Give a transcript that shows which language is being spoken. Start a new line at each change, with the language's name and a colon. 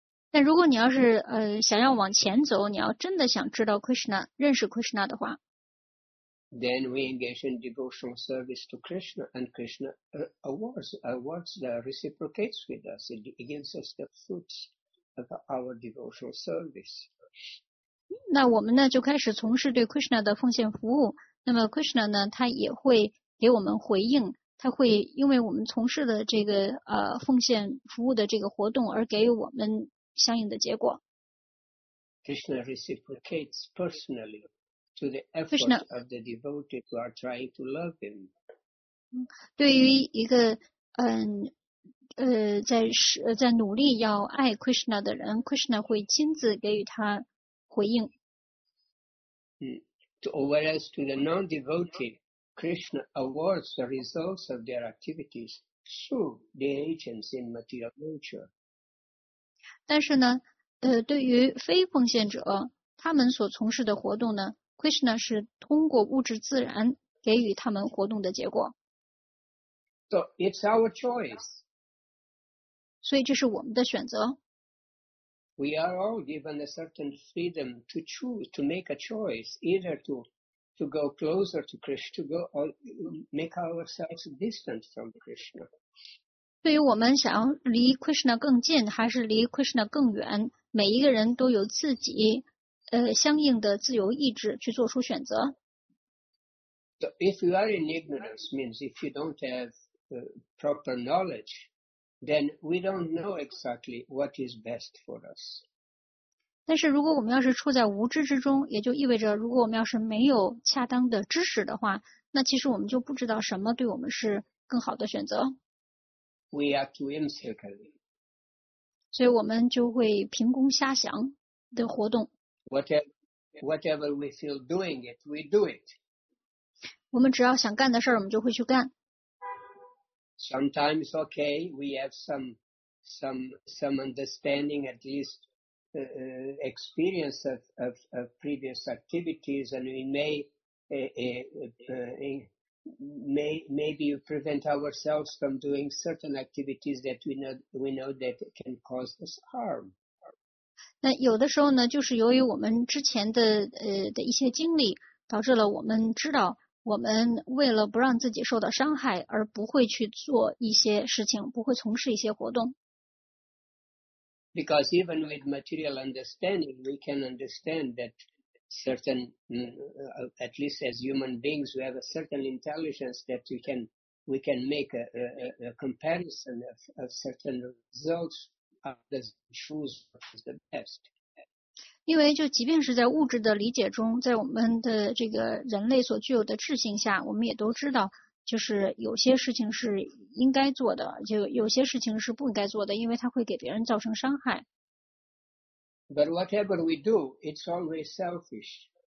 Chinese: 但如果你要是想要往前走，你要真的想知道 Krishna, 认识 Krishna 的话。
English: Then we engage in devotional service to Krishna and Krishna reciprocates with us. It gives us the fruits of our devotional service.
Chinese: 那我们呢就开始从事对 Krishna 的奉献服务。那么 Krishna 呢，他也会给我们回应，他会因为我们从事的这个奉献服务的这个活动而给予我们相应的结果。
English: OK, Krishna reciprocates personally to the efforts of the devotee who are trying to love him.
Chinese: 对于一个在努力要爱 Krishna 的人 ，Krishna 会亲自给予他回应。
English: Whereas to the non-devotee, Krishna awards the results of their activities through the agents in material nature.
Chinese: 但是呢，对于非奉献者，他们所从事的活动呢 ，Krishna 是通过物质自然给予他们活动的结果。
English: So it's our choice.
Chinese: 所以这是我们的选择。
English: We are all given a certain freedom to choose, to make a choice, either to go closer to Krishna, to go or make ourselves distant from Krishna.
Chinese: 对于我们想要离 Krishna 更近还是离 Krishna 更远，每一个人都有自己相应的自由意志去做出选择。
English: So if you are in ignorance, means if you don't have proper knowledge,then we don't know exactly what is best for us.
Chinese: 但是如果我们要是处在无知之中，也就意味着如果我们要是没有恰当的知识的话，那其实我们就不知道什么对我们是更好的选择。
English: We are too insignificant.
Chinese: 所以我们就会凭空瞎想的活动。
English: Whatever we feel doing it, we do it.
Chinese: 我们只要想干的事儿，我们就会去干。
English: Sometimes, okay, we have some understanding, at least experience of previous activities, and we maybe prevent ourselves from doing certain activities that we know that can cause us harm.
Chinese: 那有的时候呢，就是由于我们之前的一些经历，导致了我们知道。我们为了不让自己受到伤害而不会去做一些事情，不会从事一些活动。
English: Because even with material understanding, we can understand that certain, at least as human beings, we have a certain intelligence that we can make a comparison of certain results after choose the best.
Chinese: 因为就即便是在物质的理解中，在我们的这个人类所具有的智性下，我们也都知道，就是有些事情是应该做的，就有些事情是不应该做的，因为它会给别人造成伤害。
English: But whatever we do, it's always selfish.